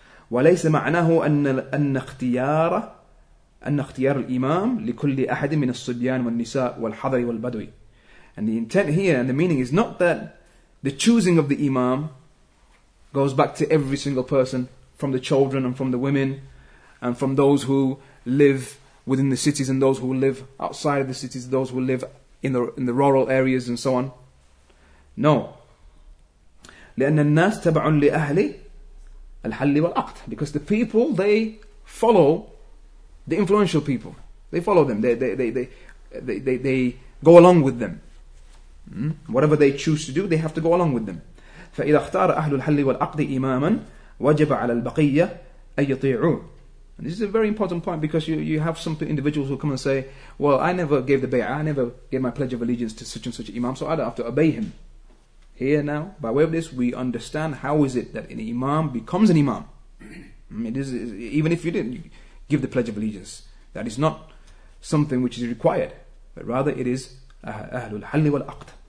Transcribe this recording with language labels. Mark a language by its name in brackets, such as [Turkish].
[Arabic] وليس معناه أن اختيار الإمام لكل أحد من الصبيان والنساء والحضر والبدوي. [English] And the intent here and the meaning is not that the choosing of the Imam goes back to every single person, from the children and from the women and from those who live within the cities and those who live outside of the cities, those who live in the rural areas and so on. No. [Arabic] لأن الناس تبع لأهل الحل والعقد. [English] Because the people, they follow the influential people. They follow them. They go along with them. Whatever they choose to do, they have to go along with them. [Arabic] فإذا اختار أهل الحل والعقد إماما وجب على البقية أن يطيعوا. [English] And this is a very important point, because you have some individuals who come and say, well, I never gave the bay'ah, I never gave my pledge of allegiance to such and such imam, so I don't have to obey him. Here now, by way of this, we understand how is it that an imam becomes an imam. It is, even if you didn't give the pledge of allegiance, that is not something which is required, but rather it is ahlul halli wal aqd.